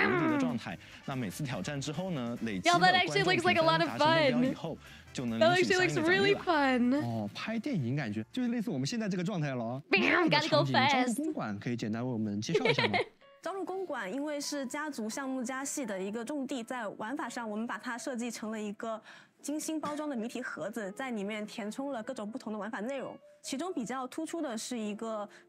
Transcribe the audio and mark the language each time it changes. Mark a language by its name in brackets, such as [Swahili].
[Chinese] 那么这个过程当中触发极限超车，拾取补给道具都会积累能量，在能量充满时可以进行冲刺，并获得无敌的状态。那每次挑战之后呢，累积到 [English] That actually looks like a lot of fun. That actually looks really fun. [Chinese] 哦，拍电影感觉就是类似我们现在这个状态了。Bam, [English] gotta go fast. [Chinese] 公馆可以简单为我们介绍一下吗？加入公馆，因为是家族项目家系的一个重地，在玩法上，我们把它设计成了一个精心包装的谜题盒子，在里面填充了各种不同的玩法内容，其中比较突出的是一个。